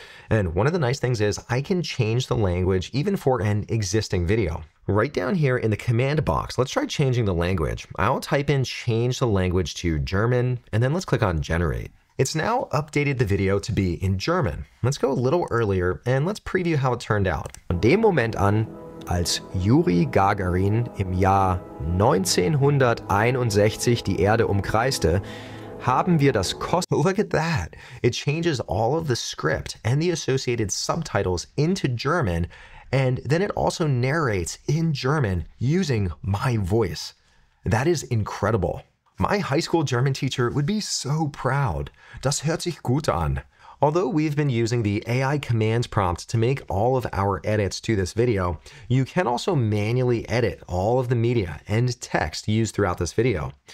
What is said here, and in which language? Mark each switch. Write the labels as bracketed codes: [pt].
[en] And one of the nice things is I can change the language even for an existing video. Right down here in the command box, let's try changing the language. I'll type in change the language to German, and then let's click on generate. It's now updated the video to be in German. Let's go a little earlier and let's preview how it turned out. [de] Von dem Moment an, als Yuri Gagarin im Jahr 1961 die Erde umkreiste, haben wir das Kost. [en] Look at that. It changes all of the script and the associated subtitles into German, and then it also narrates in German using my voice. That is incredible. My high school German teacher would be so proud. [de] Das hört sich gut an. [en] Although we've been using the AI command prompt to make all of our edits to this video, you can also manually edit all of the media and text used throughout this video.